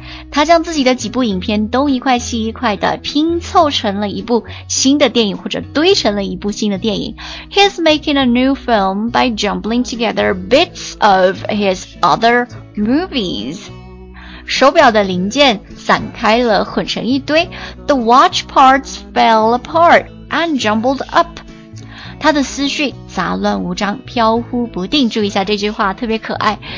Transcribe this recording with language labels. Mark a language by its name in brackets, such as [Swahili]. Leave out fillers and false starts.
[Chinese] 他将自己的几部影片东一块西一块的拼凑成了一部新的电影，或者堆成了一部新的电影。 [English] He's making a new film by jumbling together bits of his other movies. [Chinese] 手表的零件散开了，混成一堆。 [English] The watch parts fell apart and jumbled up. [Chinese] 他的思绪杂乱无章，飘忽不定。注意一下这句话，特别可爱。